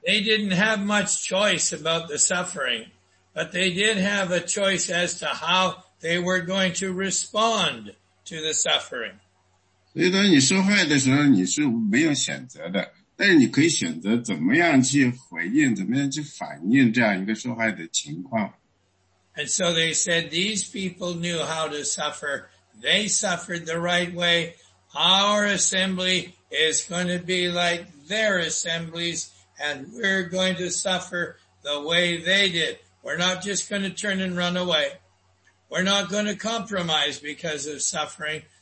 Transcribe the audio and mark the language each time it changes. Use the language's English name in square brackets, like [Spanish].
[English] They didn't have much choice about the suffering, but they did have a choice as to how they were going to respond to the suffering. [Chinese] 所以当你受害的时候，你是没有选择的，但是你可以选择怎么样去回应，怎么样去反应这样一个受害的情况。 [English] And so they said, these people knew how to suffer. They suffered the right way. Our assembly is going to be like their assemblies, and we're going to suffer the way they did. We're not just going to turn and run away. We're not going to compromise because of suffering.